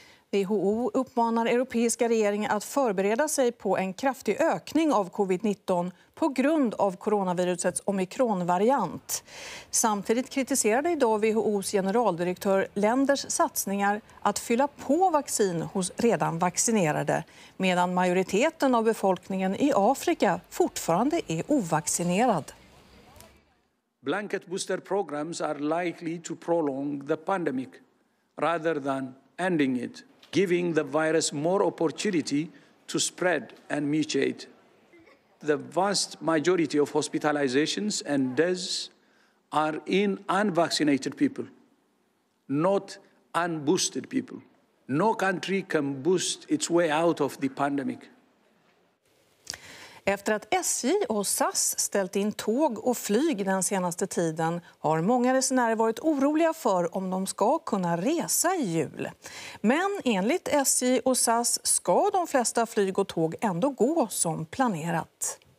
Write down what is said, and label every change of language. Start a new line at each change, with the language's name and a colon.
Swedish: WHO uppmanar europeiska regeringen att förbereda sig på en kraftig ökning av covid-19 på grund av coronavirusets omikronvariant. Samtidigt kritiserade idag WHOs generaldirektör länders satsningar att fylla på vaccin hos redan vaccinerade, medan majoriteten av befolkningen i Afrika fortfarande är ovaccinerad.
English: Blanket booster programs are likely to prolong the pandemic rather than ending it, giving the virus more opportunity to spread and mutate. The vast majority of hospitalizations and deaths are in unvaccinated people, not unboosted people. No country can boost its way out of the pandemic.
Swedish: Efter att SJ och SAS ställt in tåg och flyg den senaste tiden har många resenärer varit oroliga för om de ska kunna resa i jul. Men enligt SJ och SAS ska de flesta flyg och tåg ändå gå som planerat.